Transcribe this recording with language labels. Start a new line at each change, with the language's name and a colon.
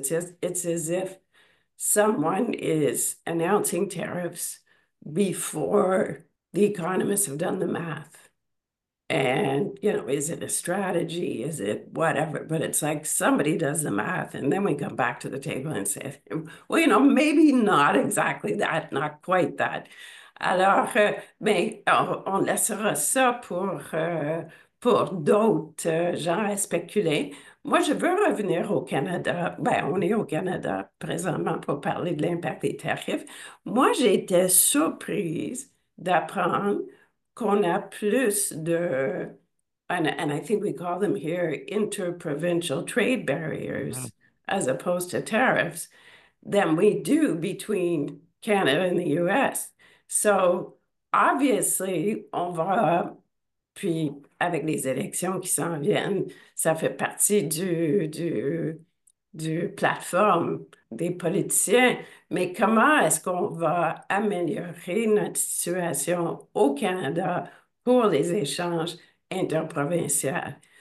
English: It's as if someone is announcing tariffs before the economists have done the math. And, is it a strategy? Is it whatever? But it's like somebody does the math and then we come back to the table and say, well, maybe not exactly that, not quite that.
French: Alors, mais on laissera ça pour d'autres gens à spéculer. Moi, je veux revenir au Canada. Ben, on est au Canada présentement pour parler de l'impact des tarifs. Moi, j'étais surprise d'apprendre qu'on a plus de,
English: and I think we call them here interprovincial trade barriers as opposed to tariffs than we do between Canada and the US. So obviously,
French: on va. Puis avec les élections qui s'en viennent, ça fait partie du plateforme des politiciens. Mais comment est-ce qu'on va améliorer notre situation au Canada pour les échanges interprovinciaux?